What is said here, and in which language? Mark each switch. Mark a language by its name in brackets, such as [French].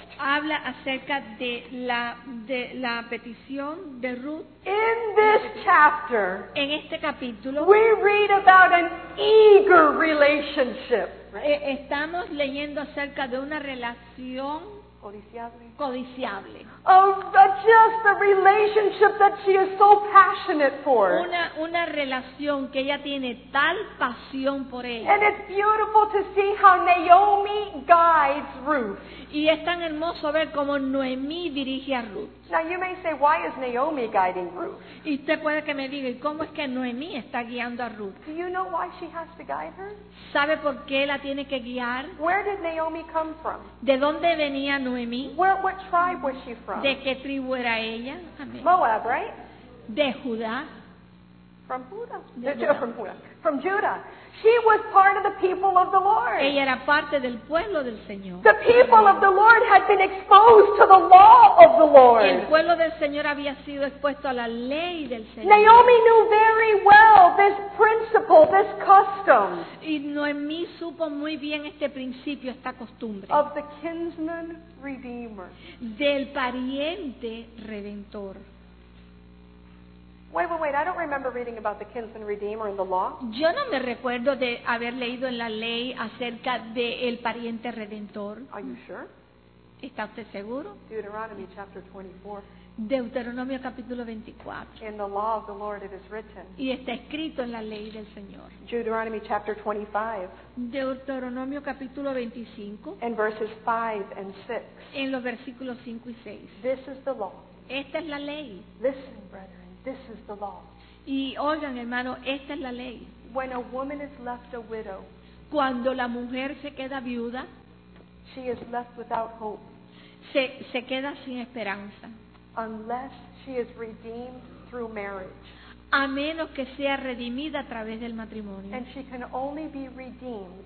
[Spanish] Habla acerca de la petición de Ruth. [English] In this chapter, [Spanish] en este capítulo, [English] we read about an eager relationship. [Spanish] Estamos leyendo acerca de una relación codiciable. [English] Oh, just the relationship that she is so passionate for. [Spanish] Una relación que ella tiene tal pasión por ella. [English] And it's beautiful to see how Naomi guides Ruth. [Spanish] Y es tan hermoso ver cómo Noemí dirige a Ruth. [English] Now you may say, why is Naomi guiding Ruth? [Spanish] Y usted puede que me diga, ¿cómo es que Noemí está guiando a Ruth? [English] Do you know why she has to guide her? [Spanish] ¿Sabe por qué la tiene que guiar? [English] Where did Naomi come from? [Spanish] ¿De dónde venía Noemí? [English] What tribe was she from? [Spanish] ¿De qué tribu era ella? [English] Amén. Moab, right? [Spanish] De Judá. [English] From Judah. From Judah. She was part of the people of the Lord. [Spanish] Ella era parte del pueblo del Señor. [English] The people of the Lord had been exposed to the law of the Lord. [Spanish] El pueblo del Señor había sido expuesto a la ley del Señor. [English] Naomi knew very well this principle, this custom. [Spanish] Y Noemí supo muy bien este principio, esta costumbre. [English] Of the kinsman redeemer. [Spanish] Del pariente redentor. [English] Wait, I don't remember reading about the kinsman redeemer in the law. [Spanish] Yo no me recuerdo de haber leído en la ley acerca de el pariente redentor. [English] Are you sure? [Spanish] ¿Está usted seguro? [English] Deuteronomy chapter 24. [Spanish] Deuteronomio capítulo 24. [English] In the law of the Lord it is written. [Spanish] Y está escrito en la ley del Señor. [English] Deuteronomy chapter 25. [Spanish] Deuteronomio capítulo 25. [English] In verses 5 and 6. [Spanish] En los versículos 5 y 6. [English] This is the law. [Spanish] Esta es la ley. [English] Listen, brethren. This is the law. [Spanish] Y oigan, hermano, esta es la ley. [English] When a woman is left a widow, [Spanish] cuando la mujer se queda viuda, [English] she is left without hope. [Spanish] Se queda sin esperanza. [English] Unless she is redeemed through marriage. [Spanish] a menos que sea redimida a través del matrimonio. [English] And she can only be redeemed.